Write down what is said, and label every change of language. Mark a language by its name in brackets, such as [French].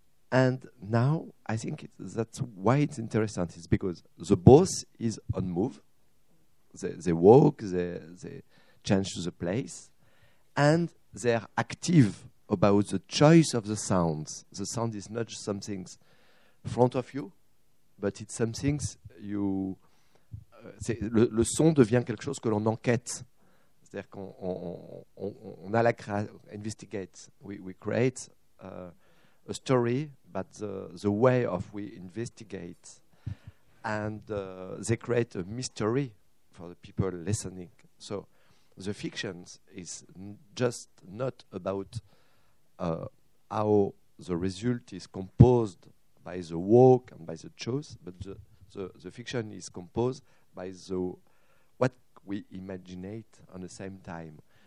[English] And now I think that's why it's interesting, is because the boss is on move. They walk, they change the place, and they're active about the choice of the sounds. The sound is not just something in front of you, but it's something you... [French] le son devient quelque chose que l'on enquête. C'est-à-dire qu'on on a la investigate. [English] We create a story, but the way of we investigate. And they create a mystery for the people listening. So the fiction is just not about how the result is composed by the work and by the choice, but the fiction is composed by the what we imagine on the same time.